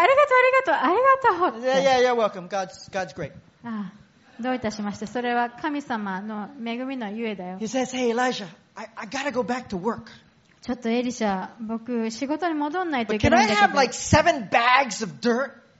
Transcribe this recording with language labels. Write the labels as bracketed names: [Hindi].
[Japanese] ありがとう、ありがとう、ありがとう。 [English] Yeah, yeah, yeah. Welcome. God's great. [Japanese] どういたしまして、それは神様の恵みのゆえだよ。 [English] He says, "Hey, Elijah, I gotta go back to work." [Japanese] ちょっとエリシャ、僕仕事に戻んないといけないんだけど。 [English] But can I have like seven bags of dirt?